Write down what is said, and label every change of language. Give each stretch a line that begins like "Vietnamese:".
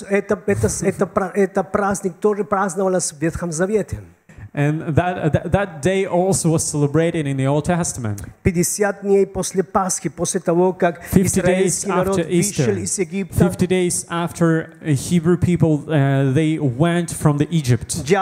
Russian: Это праздник тоже праздновался в Ветхом Завете.
English: And that day also was celebrated in the Old Testament.
Russian: 50 дней после Пасхи, после того, как
English: Fifty days after Hebrew people they went from the Egypt.